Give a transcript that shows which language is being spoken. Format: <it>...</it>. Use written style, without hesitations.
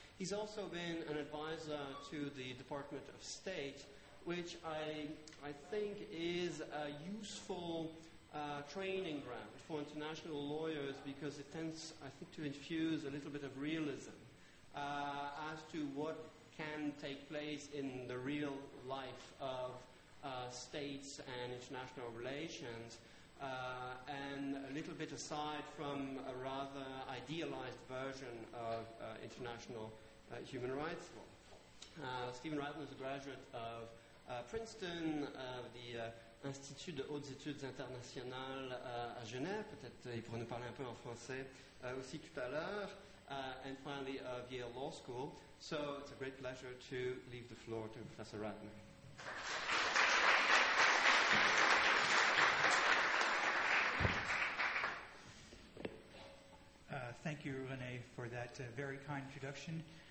<en>He's also been an advisor to the Department of State, which I think is a useful training ground for international lawyers, because it tends, I think, to infuse a little bit of realism as to what can take place in the real life of states and international relations, and a little bit aside from a rather idealized version of international human rights law. Stephen Ratner is a graduate of Princeton, the</en> <fr>Institut de Hautes Études Internationales à Genève, peut-être il pourrait nous parler un peu en français aussi tout à l'heure.</fr> <en>And finally, of Yale Law School. So it's a great pleasure to leave the floor to Professor Ratner. Thank you, René, for that very kind introduction.</en>